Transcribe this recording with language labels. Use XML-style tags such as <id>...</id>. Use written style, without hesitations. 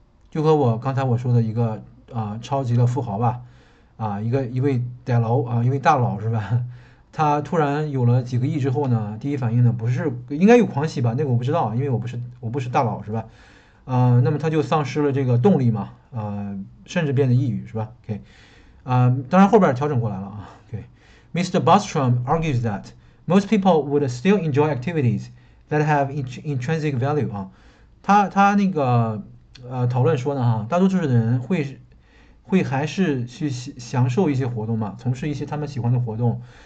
<zh>就和我刚才我说的一个超级的富豪吧，一位歹佬一位大佬是吧？他突然有了几个亿之后呢，第一反应呢不是应该有狂喜吧？那个我不知道，因为我不是大佬是吧？那么他就丧失了这个动力嘛，甚至变得抑郁是吧？OK，当然后边调整过来了啊。</zh> <en>OK，Mr. Bostrom argues that most people would still enjoy activities that have intrinsic value 啊，</en> <zh>他那个。讨论说呢，哈，大多数的人会还是去享受一些活动嘛，从事一些他们喜欢的活动。</zh>